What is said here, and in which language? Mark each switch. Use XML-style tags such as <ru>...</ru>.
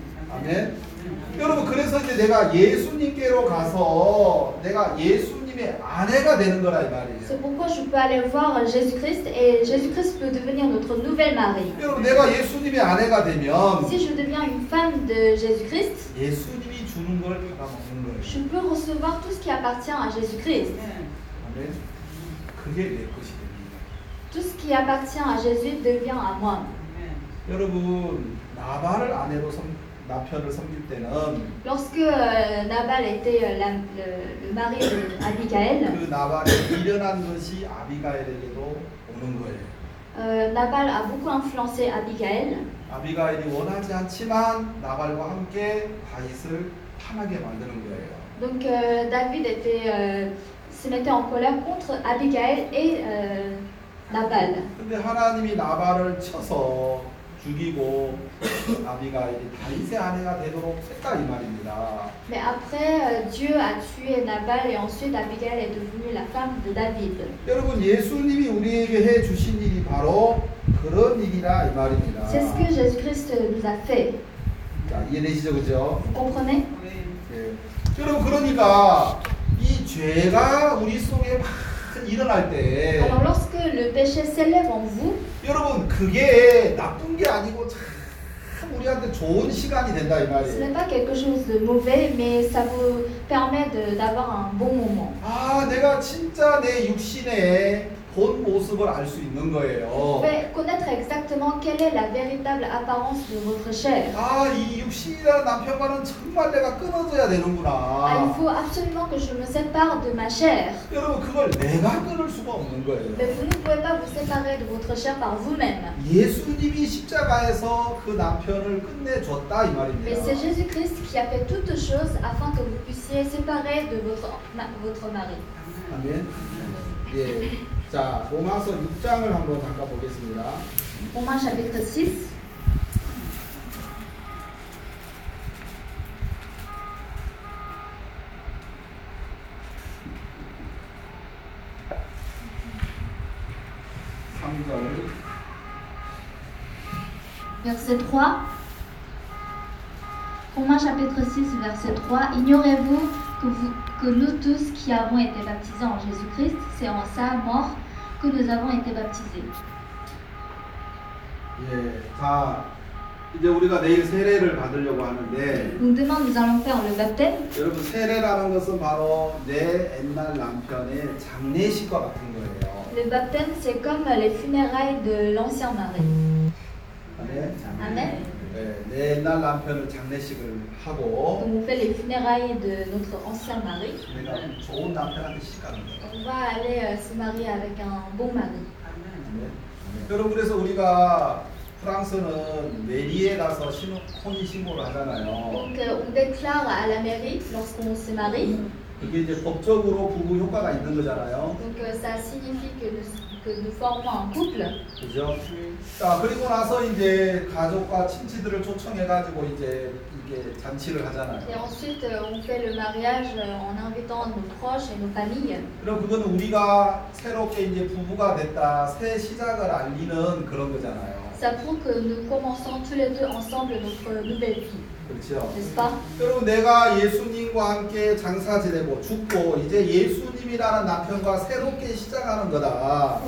<ko>아멘. 여러분, 그래서 이제 내가 예수님께로 가서 내가 예수 아내가 되는 거라 이 말이에요.</ko> <fr>C'est pourquoi je peux aller voir Jésus-Christ et Jésus-Christ peut devenir notre nouvelle mari.</fr> <ko>여러분, 내가 예수님의 아내가 되면</ko> <fr>Si je deviens une femme de Jésus-Christ,</fr> <ko>예수님이 주는 걸 받아먹는 거예요.</ko> <fr>Je peux recevoir tout ce qui appartient à Jésus-Christ.</fr> <ko>그게 내 것이 됩니다.</ko> <fr>Tout ce qui appartient à Jésus devient à moi.</fr> <ko>여러분, 나발을 아내로 섬 남편을 섬길 때는</ko> <fr>Lorsque Nabal était le mari de Abigail,</fr> <ko>그 나발이 미련한 것이 아비가엘에게도 오는 거예요.</ko> <fr>Nabal a beaucoup influencé Abigail.</fr> <ko>아비가엘이 원하지 않지만 나발과 함께 다윗을 탄하게 만드는 거예요.</ko> <fr>Donc David était se mettait en colère contre Abigail et Nabal.</fr> <ko>근데 하나님이 나발을 쳐서 죽이고 아비가일이 다윗의 아내가 되도록 했다 이 말입니다.</ko> <fr>Mais après Dieu a tué Nabal et ensuite Abigail est devenue la femme de David.</fr> <ko>여러분 예수님이 우리에게 해 주신 일이 바로 그런 일이라 이 말입니다.</ko> <fr>C'est ce que Jésus-Christ nous a fait.</fr> <ko>자, 이해되시죠, 그죠?</ko> <fr>Vous comprenez?</fr> <ko>네. 여러분 그러니까 이 죄가 우리 속에 막 일어날 때</ko> <fr>Alors lorsque le péché s'élève en vous</fr> <ko>여러분 그게 나쁜 게 아니고 참 우리한테 좋은 시간이 된다 이 말이에요.</ko> <fr>Ce n'est pas quelque chose de mauvais, mais ça vous permet d'avoir un bon moment.</fr> <ko>아, 내가 진짜 내 육신의 본 모습을 알 수 있는 거예요.</ko> <fr>Vous pouvez connaître exactement quelle est la véritable apparence de votre chair.</fr> <ko>아, 이 육신이란 남편과는 정말 내가 끊어져야 되는구나.</ko> <fr>Il faut absolument que je me sépare de ma chair.</fr> <ko>여러분, 그걸 내가 끊을 수가 없는 거예요.</ko> <fr>Mais vous ne pouvez pas vous séparer de votre chair par vous-même.</fr> <ko>예수님이 십자가에서 그 남편을 끝내줬다 이 말입니다.</ko> <fr>Mais c'est Jésus-Christ qui a fait toutes choses afin que vous puissiez séparer de votre mari.</fr> <ko>아멘. 예. 자, 로마서 6장을 한번 잠깐 보겠습니다. 로마 챕터 6. 3절.</ko> <fr>Verset 3. Romains chapitre 6, verset 3. Ignorez-vous que nous tous qui avons été baptisés en Jésus-Christ, c'est en sa mort que nous avons été baptisés.</fr> <ko>예, 자, 이제 우리가 내일 세례를 받으려고 하는데.</ko> <fr>Donc demain nous allons faire le baptême.</fr> <ko>여러분, 세례라는 것은 바로 내 옛날 남편의 장례식과 같은 거예요.</ko> <fr>Le baptême c'est comme les funérailles de l'ancien mari.</fr> <ko>아멘. 네, 내 옛날 남편을 장례식을 하고</ko> <fr>Donc on fait les funérailles de notre ancien mari.</fr> <ko>내가 좋은 남편한테 시집 가는 거예요.</ko> <fr>On va aller se marier avec un bon mari.</fr> <ko>여러분 그래서 우리가 프랑스는 메리에 가서 혼인신고를 하잖아요.</ko> <fr>Donc on déclare à la mairie lorsqu'on se marie.</fr> <ko>이게 이제 법적으로 부부 효과가 있는 거잖아요.</ko> <fr>Donc ça signifie que nous formons un couple.</fr> <ko>그죠? 자, 그리고 나서 이제 가족과 친지들을 초청해 가지고 이제 이게 잔치를 하잖아요.</ko> <fr>Et ensuite on fait le mariage en invitant nos proches et nos familles.</fr> <ko>그럼 그건 우리가 새롭게 이제 부부가 됐다. 새 시작을 알리는 그런 거잖아요.</ko> <fr>Ça prouve que nous commençons tous les deux ensemble notre nouvelle vie.</fr> <ko>그렇죠.</ko> <fr>N'est-ce pas?</fr> <ko>그리고 내가 예수님과 함께 장사 지내고 죽고 이제 예수님이라는 남편과 새롭게 시작하는 거다.</ko>